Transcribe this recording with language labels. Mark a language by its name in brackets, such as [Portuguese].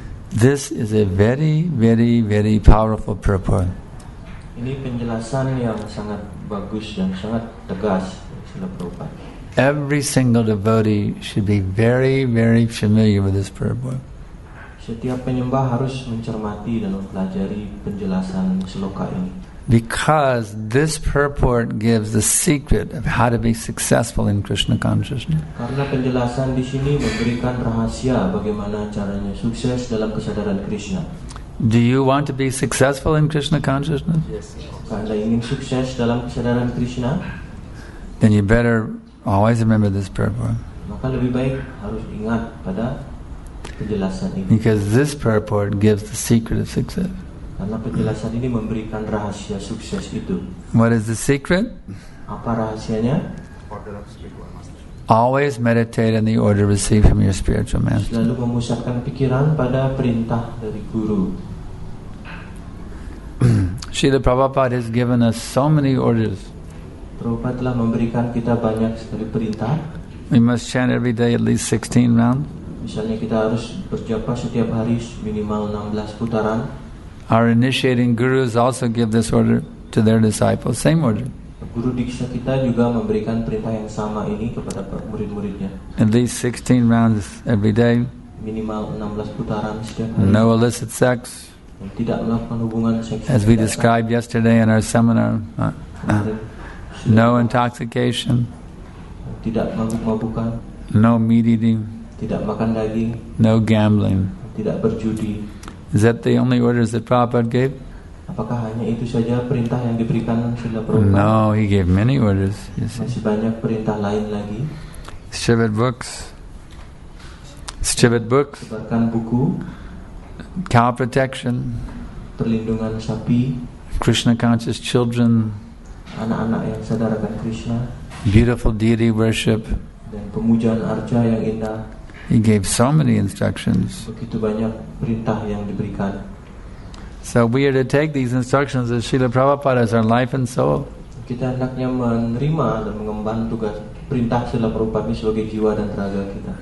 [English] This is a very, very, very powerful purport. [Indonesian] Ini penjelasan yang sangat bagus dan sangat tegas Srila Prabhupada. [English] Every single devotee should be very, very familiar with this purport. [Indonesian] Setiap penyembah harus mencermati dan mempelajari penjelasan sloka ini. [English] Because this purport gives the secret of how to be successful in Krishna consciousness. [Indonesian] Karena penjelasan di sini memberikan rahasia bagaimana caranya sukses dalam kesadaran Krishna. [English] Do you want to be successful in Krishna consciousness? [Indonesian] Yes. Anda ingin sukses dalam kesadaran Krishna? [English] Then you better always remember this purport. [Indonesian] Maka lebih baik harus ingat pada penjelasan ini. [English] Because this purport gives the secret of success. [Indonesian] Karena penjelasan ini memberikan rahasia sukses itu. [English] What is the secret? [Indonesian] Apa rahasianya? [English] Always meditate on the order received from your spiritual master. [Indonesian] Selalu memusatkan pikiran pada perintah dari guru. [English] Srila Prabhupada has given us so many orders. [Indonesian] Prabhupada telah memberikan kita banyak sekali perintah. [English] We must chant every day at least 16 rounds. [Indonesian] Misalnya kita harus berjapa setiap hari minimal 16 putaran. [English] Our initiating gurus also give this order to their disciples. Same order. [Indonesian] Guru Diksha kita juga memberikan perintah yang sama ini kepada murid-muridnya. [English] At least 16 rounds every day. [Indonesian] Minimal 16 putaran setiap hari. [English] No illicit sex. [Indonesian] Tidak melakukan hubungan seks. [English] As we described yesterday in our seminar. No intoxication. [Indonesian] Tidak mabuk-mabukan. [English] No meat eating. [Indonesian] Tidak makan daging. [English] No gambling. [Indonesian] Tidak berjudi. [English] Is that the only orders that Prabhupada gave? [Indonesian] Apakah hanya itu saja perintah yang diberikan Srila [English] Prabhupada? No, he gave many orders. [Indonesian] Masih banyak perintah lain lagi. Sebarkan books. Sebarkan buku. [English] Cow protection. [Indonesian] Perlindungan sapi. [English] Krishna conscious children. [Indonesian] Anak-anak yang sadar akan Krishna. [English] Beautiful deity worship. [Indonesian] Dan pemujaan arca yang indah. [English] He gave so many instructions. [Indonesian] Begitu banyak perintah yang diberikan. [English] So we are to take these instructions as Srila Prabhupada as our life and soul. [Indonesian] Kita hendaknya menerima dan mengemban tugas perintah Srila Prabhupada ini sebagai jiwa dan raga kita.